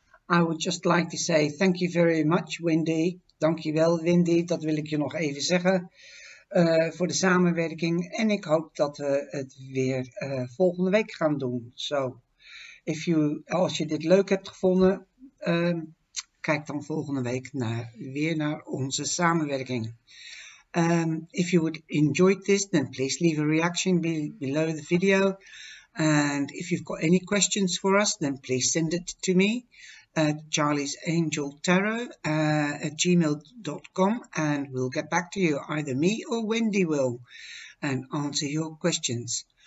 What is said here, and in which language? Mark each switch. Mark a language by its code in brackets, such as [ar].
[en] I would just like to say thank you very much, Wendy. [nl] Dank je wel, Wendy. Dat wil ik je nog even zeggen voor de samenwerking. En ik hoop dat we het weer volgende week gaan doen. So, als je dit leuk hebt gevonden, kijk dan volgende week weer naar onze samenwerking. [en] If you would enjoy this, then please leave a reaction below the video. And if you've got any questions for us, then please send it to me at charliesangeltarot @gmail.com, and we'll get back to you. Either me or Wendy will, and answer your questions.